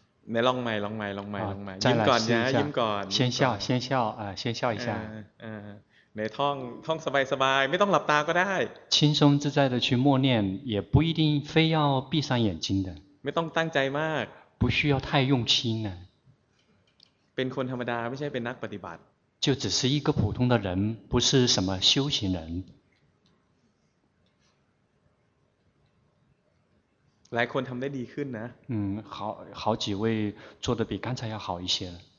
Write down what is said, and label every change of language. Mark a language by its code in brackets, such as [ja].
[th] ไหนลองใหม่ยิ้มก่อนนะยิ้มก่อน [zh] 先笑一下 [th] ในท่องสบายๆไม่ต้องหลับตาก็ได้ [zh] 轻松自在的去默念也不一定非要闭上眼睛的 [th] ไม่ต้องตั้งใจมาก [zh] 不需要太用心呢 [th] เป็นคนธรรมดาไม่ใช่เป็นนักปฏิบัติ [zh] 就只是一个普通的人不是什么修行人 [th] หลายคนทำได้ดีขึ้นนะ [zh] 好几位做得比刚才要好一些了